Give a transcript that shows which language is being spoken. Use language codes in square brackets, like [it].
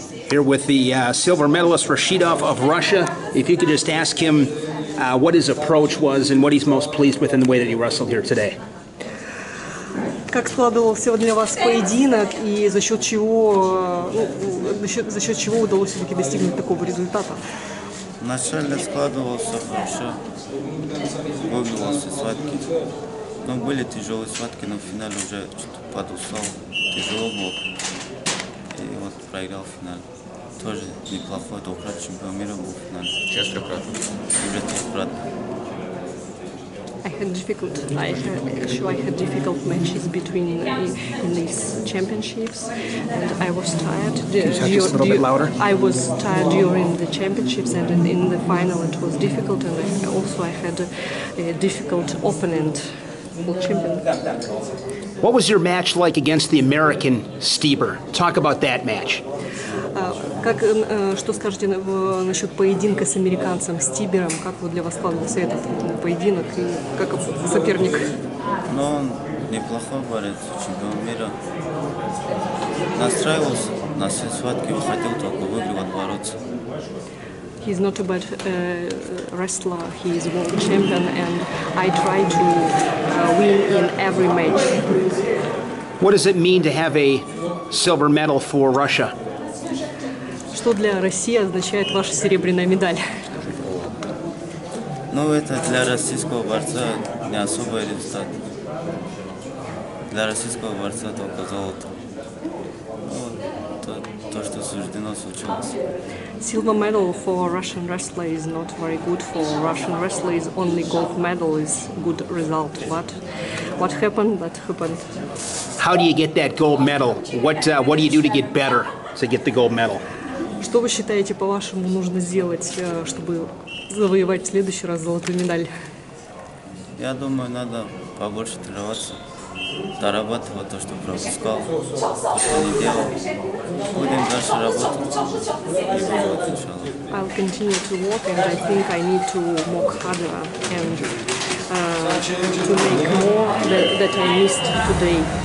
[en] here with the silver medalist Rashidov of Russia. If you could just ask him what his approach was and what he's most pleased with in the way that he wrestled here today. [ru] Как складывался для вас поединок и за счет чего удалось все-таки достигнуть такого результата? Вначале складывался хорошо, выбивался схватки, но были тяжелые схватки, но в финале уже что-то подустал, тяжело было, и вот проиграл финал. Тоже неплохой, двукратный чемпион мира был в финале. Сейчас трехкратно. Уже трехкратно. [en] I had difficult. I had difficult matches between in these championships, and I was tired. I was tired during the championships, and in the final it was difficult. And I also had a difficult opponent, world champion. What was your match like against the American Stieber? Talk about that match. [ru] Как что скажете насчет поединка с американцем Стибером? Как вот для вас складывался этот поединок и как соперник? Ну, он неплохой борец, чемпион мира. Настраивался на все схватки, выходил только выигрывать, бороться. [en] He's not a bad wrestler. He is world champion, and I try to win in every match. What does it mean to have a silver medal for Russia? [ru] Что для России означает ваша серебряная медаль? Ну, это для российского борца не особый результат. Для российского борца только золото. Ну, то, что суждено, случилось. [en] Silver medal for Russian wrestler is not very good. For Russian wrestler is only gold medal is good result. But what happened? That happened. How do you get that gold medal? What do you do to get better to get the gold medal? [ru] Что вы считаете, по-вашему, нужно сделать, чтобы завоевать в следующий раз золотую медаль? Я думаю, надо побольше тренироваться, дорабатывать то, что пропускал, то, что не делал. Будем дальше работать. [en] I'll continue to work, and I think I need to work harder and to make more that I missed today.